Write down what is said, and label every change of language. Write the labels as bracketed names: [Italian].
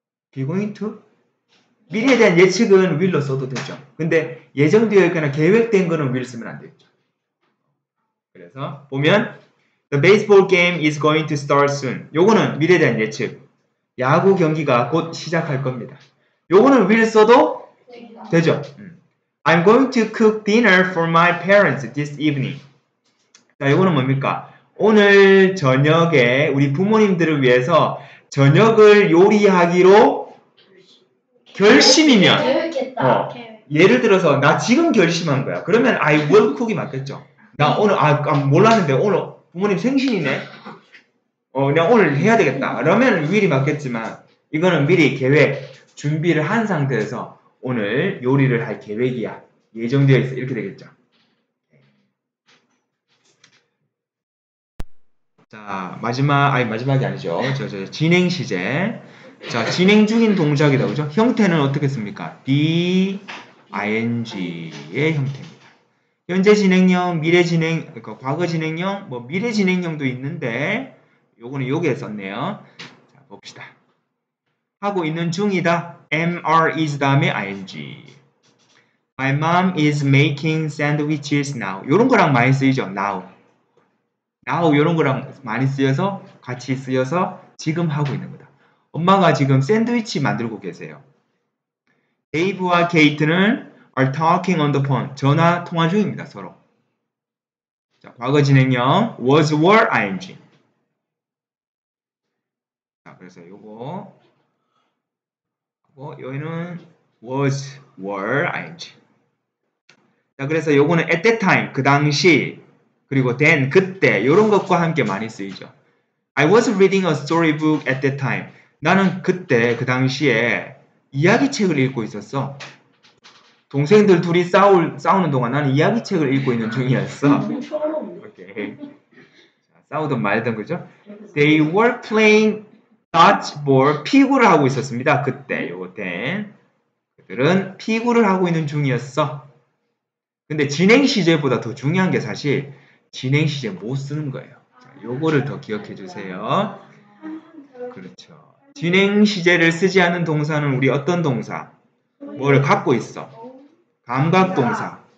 [Korean] 비고잉투? 미래에 대한 예측은 will로 써도 되죠. 근데 예정되어 있거나 계획된 거는 will 쓰면 안 되겠죠. 그래서 보면 [English] The baseball game is going to start soon. [Korean] 요거는 미래에 대한 예측. 야구 경기가 곧 시작할 겁니다. 요거는 will 써도 되죠. [English] I'm going to cook dinner for my parents this evening. [Korean] 자, 요거는 뭡니까? 오늘 저녁에 우리 부모님들을 위해서 저녁을 요리하기로 결심이면 계획했다. 예를 들어서 나 지금 결심한 거야. 그러면 [English] I will cook [Korean] 이 맞겠죠. 나 오늘 아 몰랐는데 오늘 부모님 생신이네. 그냥 오늘 해야 되겠다. 그러면 will이 맞겠지만 이거는 미리 계획 준비를 한 상태에서 오늘 요리를 할 계획이야. 예정되어 있어. 이렇게 되겠죠. 자, 마지막이 아니죠. 진행 시제. 자, 진행 중인 동작이다. 그죠? 형태는 어떻겠습니까? be, ing의 형태입니다. 현재 진행형, 미래 진행, 그러니까 과거 진행형, 뭐 미래 진행형도 있는데, 요거는 요게 썼네요. 자, 봅시다. 하고 있는 중이다. [English] MR is 다음에 ing. My mom is making sandwiches now. [Korean] 요런 거랑 많이 쓰이죠. Now 요런 거랑 많이 쓰여서 같이 쓰여서 지금 하고 있는 거다. 엄마가 지금 샌드위치 만들고 계세요. [English] Dave와 Kate는 are talking on the phone. [Korean] 전화 통화 중입니다. 서로. 자, 과거 진행형 was, were, ing. 자, 그래서 요거 뭐 여기는 was, were, ing. 자, 그래서 요거는 at that time, 그 당시, 그리고 then, 그때 요런 것과 함께 많이 쓰이죠. [English] I was reading a storybook at that time. [Korean] 나는 그때, 그 당시에 이야기책을 읽고 있었어. 동생들 둘이 싸우는 동안 나는 이야기책을 읽고 있는 중이었어. 오케이. 자, 싸우든 말든, 그죠? [English] They were playing dodgeball, [Korean] 피구를 하고 있었습니다. 그때, 요거 then. 그들은 피구를 하고 있는 중이었어. 근데 진행시제보다 더 중요한 게 사실 진행시제 못 쓰는 거예요. 자, 요거를 더 기억해 주세요. 그렇죠. 진행시제를 쓰지 않은 동사는 우리 어떤 동사? 뭐를 갖고 있어? 감각동사.